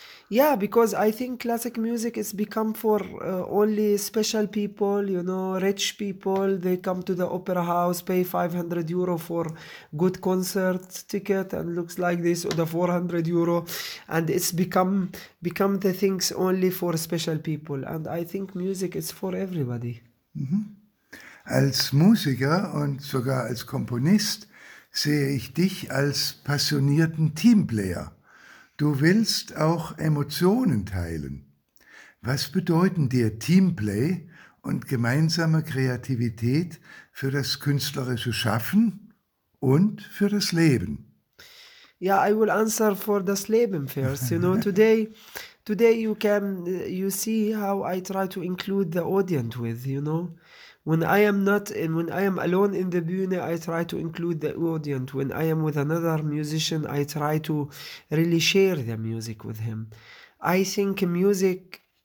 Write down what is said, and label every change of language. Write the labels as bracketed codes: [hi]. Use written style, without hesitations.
[en] Yeah, because I think classic music is become for only special people, you know, rich people. They come to the opera house, pay 500 euro for good concert ticket, and looks like this, or the 400 euro, and it's become the things only for special people. And I think music is for everybody. [de] Als Musiker und sogar als Komponist sehe ich dich als passionierten Teamplayer. Du willst auch Emotionen teilen. Was bedeuten dir Teamplay und gemeinsame Kreativität für das künstlerische Schaffen und für das Leben? [en] Yeah, I will answer for [de] das Leben [en] first. You know, today you see how I try to include the audience with, you know. When I am alone in the bühne, I try to include the audience. When I am with another musician, I try to really share the music with him. I think music